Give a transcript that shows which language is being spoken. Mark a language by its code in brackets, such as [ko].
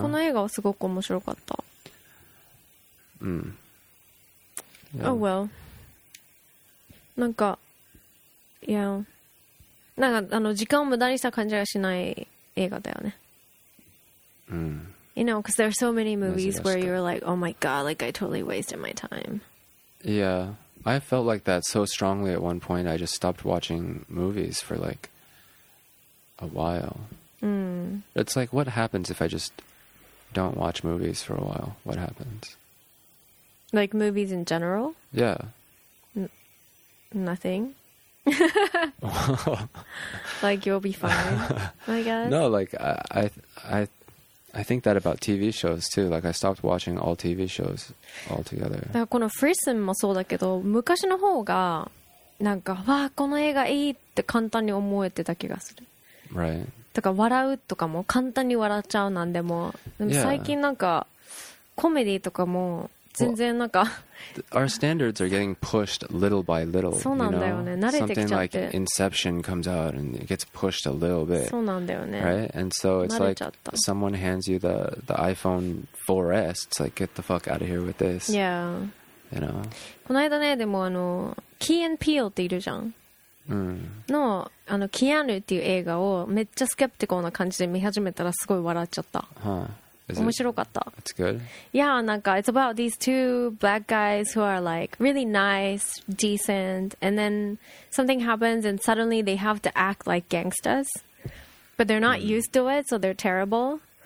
[ja] この映画はすごく面白かった。 [en] Yeah. Oh well. なんか、yeah. [ja] なんかあの時間を無駄にした感じがしない映画だよね。 [en] You know, because there are so many movies where you're like, oh my god, like I totally wasted my time. Yeah, I felt like that so strongly at one point. I just stopped watching movies for like. A while. It's like, what happens if I just don't watch movies for a while? What happens? Like movies in general? Yeah. Nothing. Like, you'll be fine, I guess. No, like, I think that about TV shows too. Like, I stopped watching all TV shows altogether. [ja] だからこのフリスンもそうだけど、昔の方がなんかわあこの映画いいって簡単に思えてた気がする。 [en] Right. [ja] だから笑うとかも簡単に笑っちゃうなんでも。でも最近なんかコメディとかも全然なんか、 [en] well, our standards are getting pushed little by little. [ja] そうなんだよね。慣れてきちゃって。 [en] Something like Inception comes out and it gets pushed a little bit. [ja] そうなんだよね。 [en] Right? And so it's like someone hands you the iPhone 4S. It's like, get the fuck out of here with this. Yeah. You know? [ja] この間ね、でもあの、Key and Peele っているじゃん。うん、の、 あの、キアヌっていう映画をめっちゃスケプティカルな感じで見始めたらすごい笑っちゃった。はい。面白かった。 [en] It's good? Yeah, なんか it's about these two black guys who are like really nice, decent, and then something happens and suddenly they have to act like gangsters. But they're not used to it, so they're terrible.